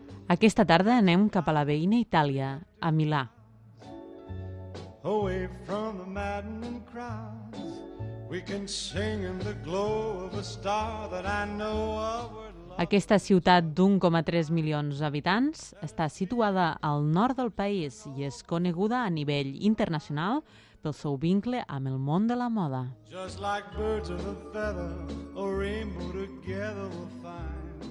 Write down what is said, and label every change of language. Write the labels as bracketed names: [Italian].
[Catalan] Aquesta tarda anem cap a la veïna Itàlia, a Milà. [English] Away from the maddening crowds, we can sing in the glow of a star that I know of. [Catalan] Aquesta ciutat d'1,3 milions d'habitants està situada al nord del país i és coneguda a nivell internacional pel seu vincle amb el món de la moda. [English] Just like birds of a feather, a rainbow together we'll find.